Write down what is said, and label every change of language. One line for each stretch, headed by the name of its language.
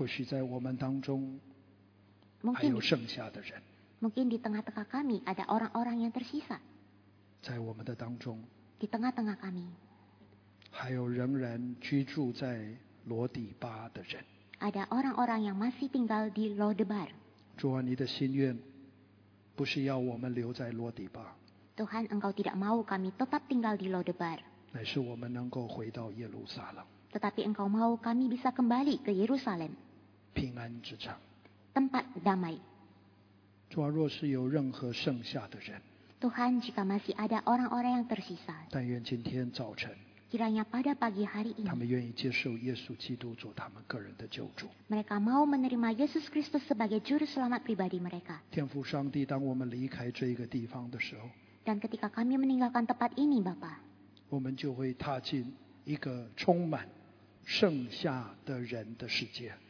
Chinese: 或许在我们当中还有剩下的人
Indonesian: mungkin di tengah-tengah kami ada orang-orang yang tersisa
Chinese: 在我们的当中
Indonesian: di tengah-tengah kami
Chinese: 还有仍然居住在罗底巴的人
Indonesian: ada orang-orang yang masih tinggal di Lodebar
Chinese: 主啊你的心愿不是要我们留在罗底巴
Indonesian: Tuhan engkau tidak mau kami tetap tinggal di Lodebar
Chinese: 乃是我们能够回到耶路撒冷
Indonesian: Tetapi engkau mau kami bisa kembali ke Yerusalem.
Chinese: 平安之城。
Indonesian: Tempat damai.
Chinese: 主啊，若是有任何剩下的人。
Indonesian: Tuhan, jika masih ada orang-orang yang tersisa.
Chinese: 但愿今天早晨。
Indonesian: Kiranya pada pagi hari ini.
Chinese: 他们愿意接受耶稣基督做他们个人的救主。
Indonesian: Mereka mau menerima Yesus Kristus sebagai juru selamat pribadi mereka.
Chinese: 天父上帝，当我们离开这个地方的时候。
Indonesian: Dan ketika kami meninggalkan tempat ini, Bapa.
Chinese: 我们就会踏进一个充满剩下的人的世界。